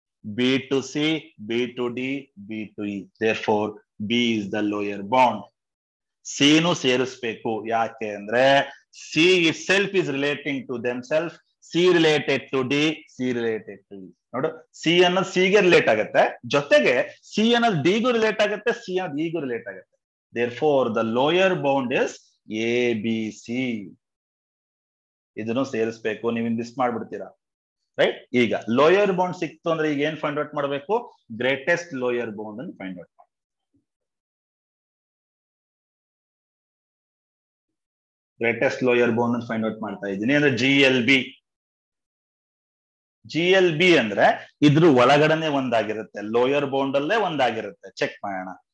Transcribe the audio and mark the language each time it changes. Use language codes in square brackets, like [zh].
[en] B to C, B to D, B to E. Therefore B is the lower bound. C ನು ಸೇರಿಸ್ಬೇಕು, ಯಾಕೆ ಅಂದ್ರೆ C itself is relating to themself. [kn] C related to D, C related to E. ನೋಡು, C ಅನ್ನೋದು ಸಿಗೆ relate ಆಗುತ್ತೆ, ಜೊತೆಗೆ C ಅನ್ನೋದು ಡಿಗೂ ರಿಲೇಟ್ ಆಗುತ್ತೆ, ಸಿ ಅನ್ನೋದು ಇಗೂ ರಿಲೇಟ್ ಆಗುತ್ತೆ. [en] Therefore, the lower bound is A, B, C. [kn] ಇದನ್ನು ಸೇರಿಸ್ಬೇಕು, ನೀವು ಮಿಸ್ ಮಾಡ್ಬಿಡ್ತೀರಾ. ರೈಟ್, ಈಗ ಲೋಯರ್ ಬೌಂಡ್ ಸಿಕ್ತು ಅಂದ್ರೆ ಈಗ ಏನ್ ಫೈಂಡ್ ಔಟ್ ಮಾಡಬೇಕು? ಗ್ರೇಟೆಸ್ಟ್ ಲೋಯರ್ ಬೌಂಡ್ ಅನ್ನು ಫೈಂಡ್ ಔಟ್ ಮಾಡಿ. ಗ್ರೇಟೆಸ್ಟ್ ಲೋಯರ್ ಬೌಂಡ್ ಅನ್ನು ಫೈಂಡ್ ಔಟ್ ಮಾಡ್ತಾ ಇದ್ದೀನಿ ಅಂದ್ರೆ ಜಿ ಎಲ್ ಬಿ ಅಂದ್ರೆ ಇದ್ರ ಒಳಗಡೆನೆ ಒಂದಾಗಿರುತ್ತೆ, ಲೋಯರ್ ಬೌಂಡ್ ಅಲ್ಲೇ ಒಂದಾಗಿರುತ್ತೆ. ಚೆಕ್ ಮಾಡೋಣ.